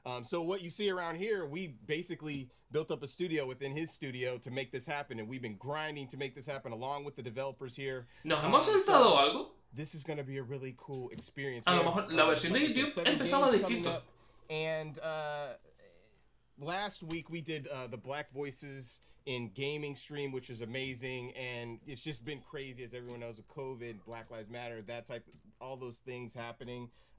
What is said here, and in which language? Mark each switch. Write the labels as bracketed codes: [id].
[en] So what you see around here, we basically built up a studio within his studio to make this happen, and we've been grinding to make this happen along with the developers here. [es] ¿Nos hemos saltado algo? [en] This is going to be a really cool experience. [es] A lo mejor la versión de YouTube empezaba distinto. [en] And last week we did the Black Voices in Gaming stream, which is amazing, and it's just been crazy, as everyone knows, with COVID, Black Lives Matter, that type of, all those things happening.